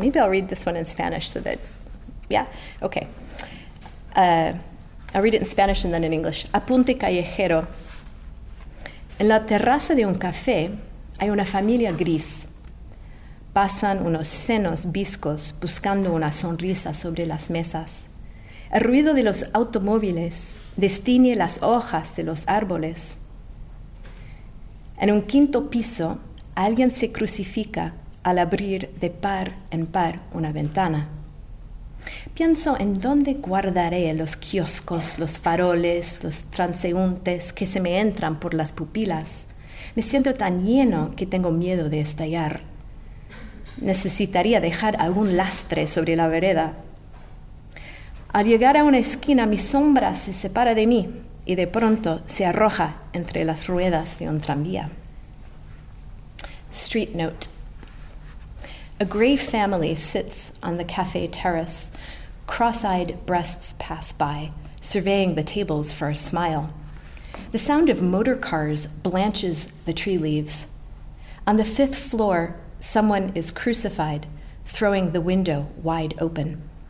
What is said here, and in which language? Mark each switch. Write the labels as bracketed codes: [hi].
[en] Maybe I'll read this one in Spanish so that, yeah, okay. I'll read it in Spanish and then in English. [es] Apunte callejero. En la terraza de un café hay una familia gris. Pasan unos senos viscos buscando una sonrisa sobre las mesas. El ruido de los automóviles destiñe las hojas de los árboles. En un quinto piso, alguien se crucifica al abrir de par en par una ventana. Pienso en dónde guardaré los kioscos, los faroles, los transeúntes que se me entran por las pupilas. Me siento tan lleno que tengo miedo de estallar. Necesitaría dejar algún lastre sobre la vereda. Al llegar a una esquina, mi sombra se separa de mí y de pronto se arroja entre las ruedas de un tranvía. [en] Street note. A gray family sits on the cafe terrace. Cross-eyed breasts pass by, surveying the tables for a smile. The sound of motor cars blanches the tree leaves. On the fifth floor, someone is crucified, throwing the window wide open.